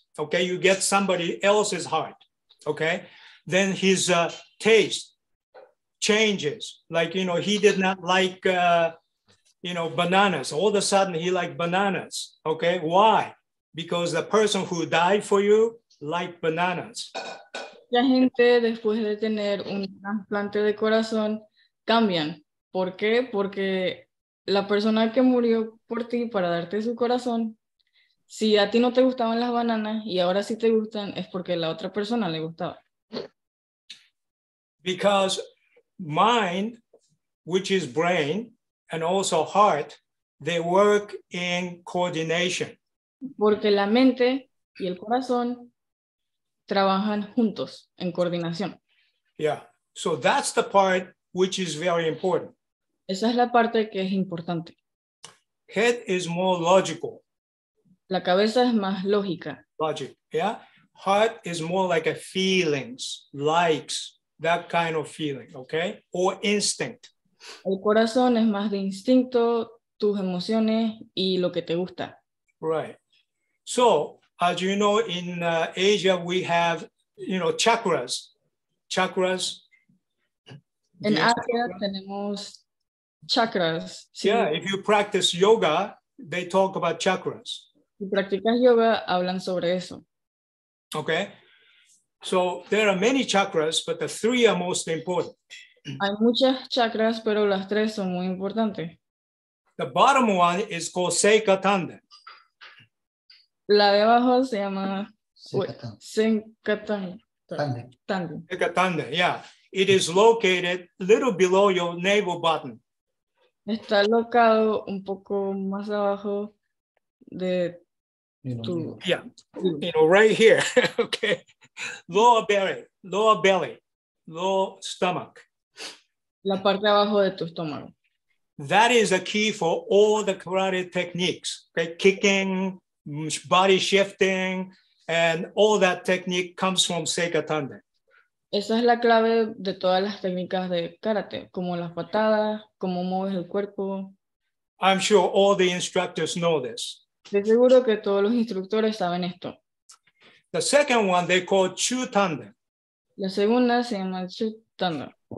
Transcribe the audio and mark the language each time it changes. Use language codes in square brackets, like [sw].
[en] Okay, you get somebody else's heart. Okay, then his taste changes. Like, you know, he did not like, you know, bananas. All of a sudden, he liked bananas. Okay, why? Because the person who died for you liked bananas. [es] La gente después de tener un trasplante de corazón cambian. ¿Por qué? Porque la persona que murió por ti para darte su corazón, si a ti no te gustaban las bananas y ahora sí te gustan, es porque la otra persona le gustaba. [en] Because mind, which is brain, and also heart, they work in coordination. [es] Porque la mente y el corazón trabajan juntos en coordinación. [en] Yeah, so that's the part which is very important. [es] Esa es la parte que es importante. [en] Head is more logical. [es] La cabeza es más lógica. [en] Logic, yeah? Heart is more like a feelings, likes, that kind of feeling, okay? Or instinct. [es] El corazón es más de instinto, tus emociones y lo que te gusta. [en] Right. So, as you know, in Asia we have, you know, chakras. Chakras. [es] En Asia tenemos chakras. Sí. [en] Yeah, if you practice yoga, they talk about chakras. [es] Si practicas yoga, hablan sobre eso. [en] Okay. So there are many chakras, but the three are most important. [es] Hay muchas chakras, pero las tres son muy importantes. [en] The bottom one is called Seika Tanden. [es] La de abajo se llama Seika Tanden. [en] Seika Tanden, yeah. It is located a little below your navel button. [es] Está locado un poco más abajo de tu... [en] Yeah, you know, right here, okay. Lower belly, lower stomach. [es] La parte abajo de tu estómago. [en] That is a key for all the karate techniques, okay? Kicking, body shifting, and all that technique comes from Seika Tanden. [es] Esa es la clave de todas las técnicas de karate, como las patadas, cómo mueves el cuerpo. [en] I'm sure all the instructors know this. [es] De seguro que todos los instructores saben esto. [en] The second one they call Chu Tanden. [es] La segunda se llama Chu Tanden.